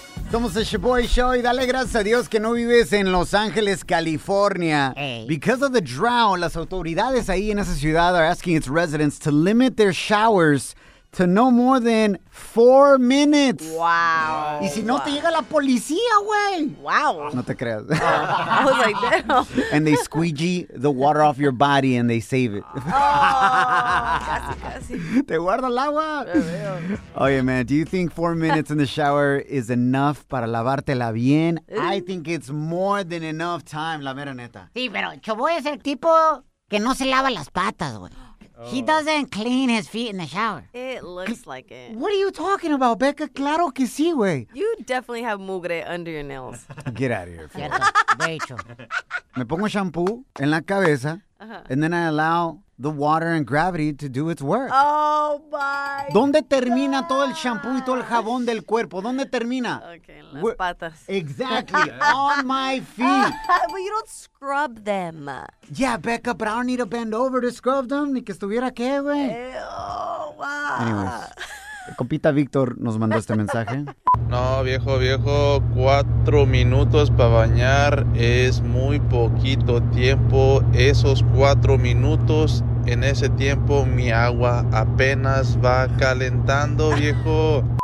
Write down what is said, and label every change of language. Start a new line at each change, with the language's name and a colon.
Spanish: Somos el Sha'Boy Show y dale gracias a Dios que no vives en Los Ángeles, California.
English: Hey. Because of the drought,
Spanish: las autoridades ahí en esa ciudad
English: are asking its residents to limit their showers to no more than 4 minutes. Wow.
Spanish: Y si no, te llega la policía, güey.
English: Wow.
Spanish: No te creas.
English: I was like, damn. And they squeegee the water off your body and they save it.
Spanish: Oh, casi, casi. Te guarda el agua. Veo.
English: Oye, man, do you think 4 minutes in the shower is enough
Spanish: para lavártela bien?
English: I think it's more than enough time,
Spanish: la mera neta. Sí, pero Chobo es el tipo que no se lava las patas, güey.
English: He doesn't clean his feet in the shower. It looks like it. What are you talking about, Becca?
Spanish: Claro que sí, güey.
English: You definitely have mugre under your nails. Get out of here, fool. Rachel.
Spanish: Me pongo shampoo en la cabeza,
English: and then I allow the water and gravity to do its work. Oh, my
Spanish: ¿Dónde termina todo el shampoo y todo el jabón del cuerpo? ¿Dónde termina?
English: Okay,
Spanish: las patas.
English: Exactly. On my feet. But you don't scrub them. Yeah, Becca, but I don't need to bend over to scrub them.
Spanish: Ni que estuviera qué, güey.
English: Oh, wow.
Spanish: Anyways, el compita Víctor nos mandó este mensaje. No, viejo, viejo, 4 minutos para bañar es muy poquito tiempo. Esos 4 minutos, en ese tiempo, mi agua apenas va calentando, viejo.